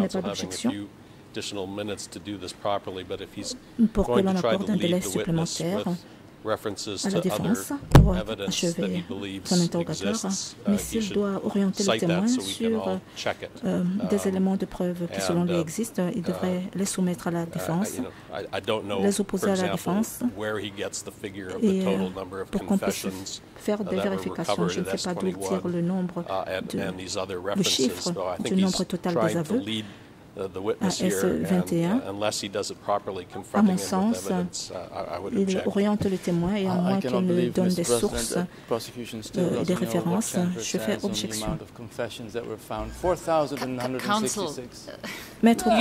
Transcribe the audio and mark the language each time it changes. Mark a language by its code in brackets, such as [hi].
[en] counsel having a few additional minutes to do this properly, but if he's going to try to lead the witness with references to other evidence that he believes exists, [fr] mais s'il doit orienter le témoin sur des éléments de preuve qui selon lui existent, il devrait les soumettre à la défense, les opposer à la défense, et pour qu'on puisse faire des vérifications. Je ne sais pas d'où tire le nombre de chiffres du nombre total des aveux [en] the witness here, unless he does it properly confronting the evidence, I would object. I cannot believe, Mr. President, the prosecution still doesn't know what Chandra says on the amount of confessions that were found. 4,166.